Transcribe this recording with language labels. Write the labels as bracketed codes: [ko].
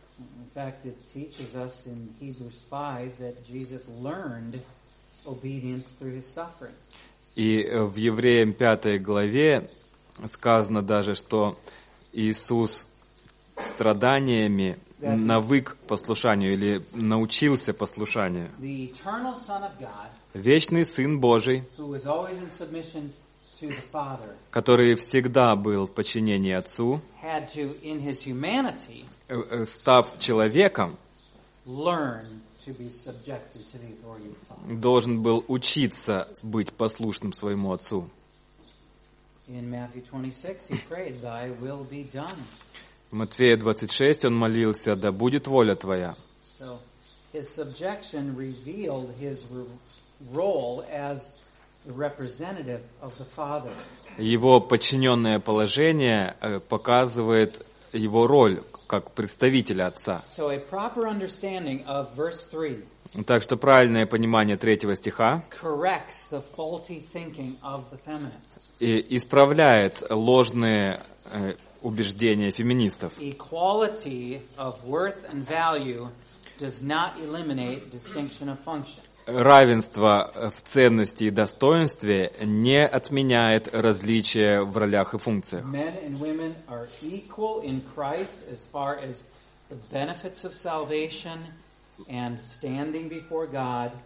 [en] In fact, it teaches us in Hebrews 5 that Jesus learned obedience through his suffering. [ru] И в Евреям 5 главе сказано даже, что Иисус страданиями навык послушанию или научился послушанию. [en] The eternal Son of God, [ru] вечный Сын Божий, [en] who was always in submission to the Father, [ru] который всегда был в подчинении Отцу, [en] had to, in his humanity, [ru] став человеком, [en] learn to be subjected to the authority of the Father. [ru] Должен был учиться быть послушным своему Отцу. [en] In Matthew 26, he prayed, "Thy will be done." [ru] В Матфея 26 он молился: «Да будет воля Твоя». [en] So, his subjection revealed his role as the representative of the Father. [ru] Его подчиненное положение показывает его роль как представителя Отца. [en] So a proper understanding of verse 3. [ru] Так что правильное понимание третьего стиха [en] corrects the faulty thinking of the feminists. [ru] И исправляет ложные убеждения феминистов. [en] Equality of worth and value does not eliminate distinction of function. [ru] Равенство в ценности и достоинстве не отменяет различия в ролях и функциях. [en] Men and women are equal in Christ as far as the benefits of salvation and standing before God.